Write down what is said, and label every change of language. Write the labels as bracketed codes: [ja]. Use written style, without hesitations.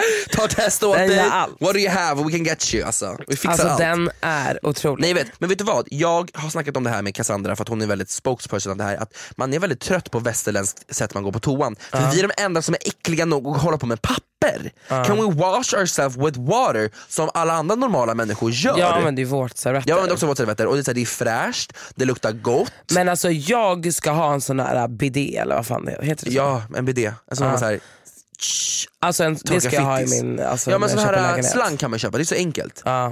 [sv] Ta test åt den dig. Gör allt. [en] What do you have? We can get you. [sv] Alltså, vi fixar alltså allt. Den är otrolig. Nej, vet, men vet du vad? Jag har snackat om det här med Cassandra, för att hon är väldigt spokesperson av det här. Att man är väldigt trött på västerländskt sätt man går på toan. För vi är de enda som är äckliga nog att hålla på med papper. [en] Can we wash ourselves with water? [sv] Som alla andra normala människor gör. Ja, men det är våtservetter. Ja, men det är också våtservetter. Och det är, så här, det är fräscht, det luktar gott. Men alltså, jag ska ha en sån här bidé, eller vad fan det heter. Ja, en bidé. En sån här... Alltså en, det ska jag ha i min, alltså, ja, men sån här slang kan man köpa. Det är så enkelt. Ja,